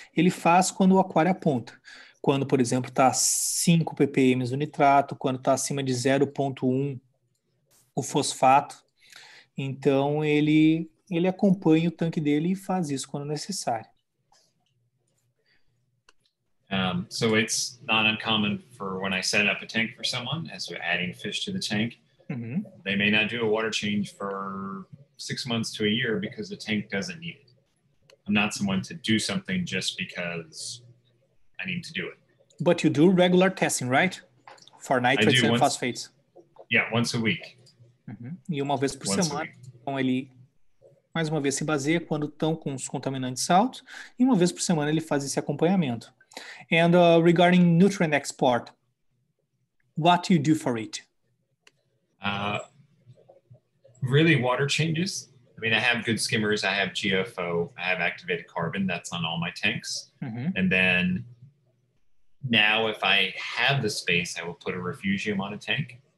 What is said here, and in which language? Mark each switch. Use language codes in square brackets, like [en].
[pt] Ele faz quando o aquário aponta. Quando, por exemplo, está 5 ppm o nitrato, quando está acima de 0.1 o fosfato. Então, ele acompanha o tanque dele e faz isso quando necessário. [en] So it's not uncommon for when I set up a tank for someone, as we're adding fish to the tank, they may not do a water change for 6 months to a year because the tank doesn't need it. I'm not someone to do something just because I need to do it. But you do regular testing, right? For nitrates and phosphates. Yeah, once a week. [pt] Uhum. E uma vez por [en] once [pt] semana. Então ele, mais uma vez, se baseia quando estão com os contaminantes altos. E uma vez por semana ele faz esse acompanhamento. [en] And regarding nutrient export, what do you do for it? Really water changes. I mean, I have good skimmers. I have GFO. I have activated carbon. That's on all my tanks. Mm-hmm. And then now if I have the space, I will put a refugium on a tank.